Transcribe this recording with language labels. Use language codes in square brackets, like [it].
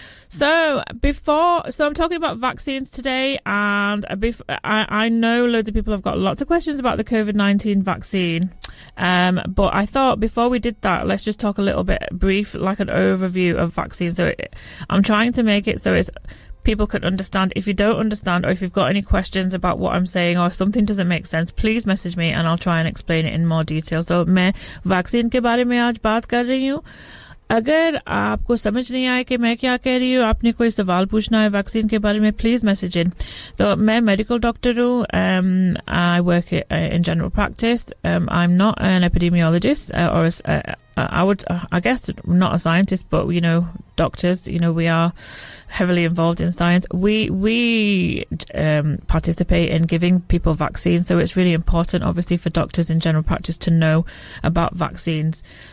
[en] So I'm talking about vaccines today, and I know loads of people have got lots of questions about the COVID-19 vaccine, but I thought before we did that, let's just talk a little bit brief, like an overview of vaccines. So I'm trying to make it so it's people can understand. If you don't understand, or if you've got any questions about what I'm saying, or something doesn't make sense, please message me and I'll try and explain it in more detail. [hi] So main vaccine ke baare mein aaj baat kar rahi hu. अगर आपको समझ नहीं आया कि मैं क्या कह रही हूँ, आपने कोई सवाल पूछना है वैक्सीन के बारे में, प्लीज मैसेज इन. तो मैं मेडिकल डॉक्टर हूँ. [en] I work in general practice. I am not an epidemiologist और I guess not a scientist, but you know, doctors, you know, we are heavily involved in science. We participate in giving people vaccines, so it's really important obviously for doctors in general practice to know about vaccines.